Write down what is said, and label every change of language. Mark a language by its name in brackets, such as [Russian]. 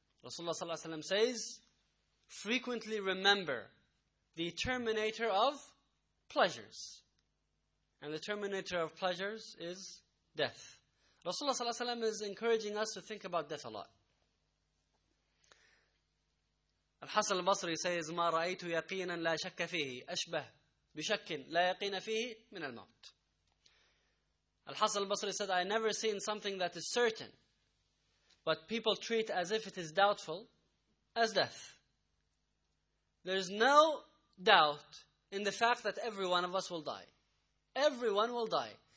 [English] Rasulullah sallallahu alayhi wa sallam says, frequently remember the terminator of pleasures. And the terminator of pleasures is death. Rasulullah sallallahu alaihi wasallam is encouraging us to think about death a lot. Al-Hasan al-Basri says, [Arabic] ما رأيت يقينا لا شك فيه أشبه بشك لا يقين فيه من الموت. [English] Al-Hasan al-Basri said, I never seen something that is certain, but people treat as if it is doubtful, as death. There's no doubt in the fact that every one of us will die. Everyone will die.